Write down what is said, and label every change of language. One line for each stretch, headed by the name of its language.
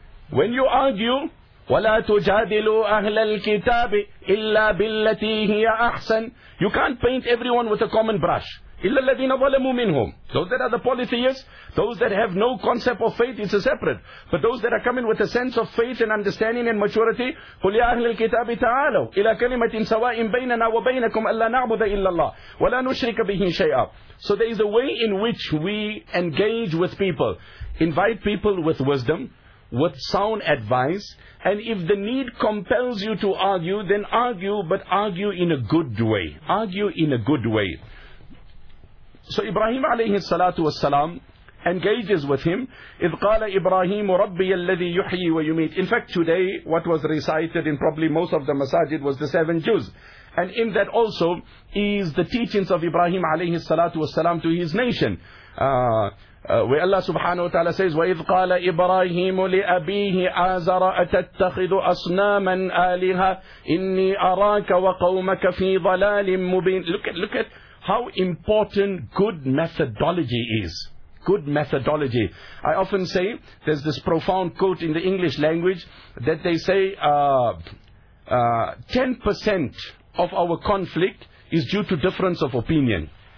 English: When you argue,
Arabic: وَلَا تُجَادِلُوا أَهْلَ الْكِتَابِ إِلَّا بِالَّتِي هِيَ أَحْسَنُ.
English: You can't paint everyone with a common brush.
Arabic: إِلَّا الَّذِينَ ظَلَمُوا مِنْهُمْ.
English: Those that are the polytheists, those that have no concept of faith, it's a separate. But those that are coming with a sense of faith and understanding and maturity,
Arabic: قُلْ يَا أَهْلِ الْكِتَابِ تَعَالَوْا إِلَىٰ كَلِمَةٍ سَوَاءٍ بَيْنَنَا وَبَيْنَكُمْ أَلَّا نَعْبُدَ إِلَّا اللَّهِ وَلَا نُشْرِكَ بِهِ شَيْئًا.
English: So there is a way in which we engage with people, invite people with wisdom, with sound advice, and if the need compels you to argue, then argue, but argue in a good way. Argue in a good way. So Ibrahim alayhi salatu was salam engages with him.
Arabic: إِذْ قَالَ إِبْرَاهِيمُ رَبِّيَ الَّذِي يُحْيِي وَيُمِيتُ.
English: In fact, today, what was recited in probably most of the masajid was the seven Jews. And in that also is the teachings of Ibrahim alayhi salatu was salam to his nation. Where Allah subhanahu wa ta'ala says,
Arabic: وَإِذْ قَالَ إِبْرَاهِيمُ لِأَبِيهِ آزَرَ أَتَتَّخِذُ أَصْنَامًا آلِهَا إِنِّي أَرَاكَ وَقَوْمَكَ فِي ضَلَالٍ مُبِينٍ.
English: Look at how important good methodology is. Good methodology. I often say, there's this profound quote in the English language that they say, 10% of our conflict is due to difference of opinion.